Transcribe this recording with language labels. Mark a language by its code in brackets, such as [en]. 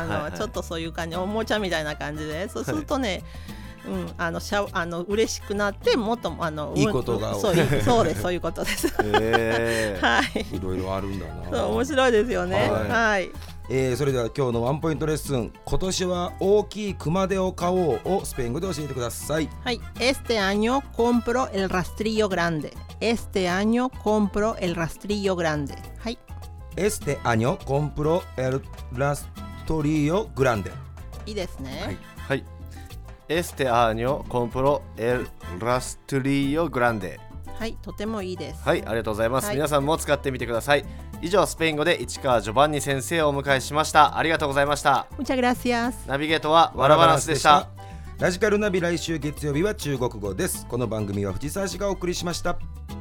[ja] あの、はいはい、ちょっとそういう感じ、おもちゃみたいな感じで、そうするとね、はい、うん、あのあの嬉しくなって、もっとあのいいことが、そう、そうです、そういうことです、はい、いろいろあるんだな。そう、面白いですよね。はい、はい、それでは今日のワンポイントレッスン、今年は大きい熊手を買おうをスペイン語で教えてください。はい、 [es] Este año compro el rastrillo grande. Este año compro el rastrillo grande. [ja] はい、 [es] Este año compro el rastrillo grande. [ja] いいですね。はい、はい、 [es] Este año compro el rastrillo grande. [ja] はい、とてもいいです。はい、ありがとうございます。はい、皆さんも使ってみてください。以上、スペイン語で市川ジョバンニ先生をお迎えしました。ありがとうございました。 [es] Muchas gracias. [ja] ナビゲートはワラバランスでした。ラジカルナビ、来週月曜日は中国語です。この番組は藤沢氏がお送りしました。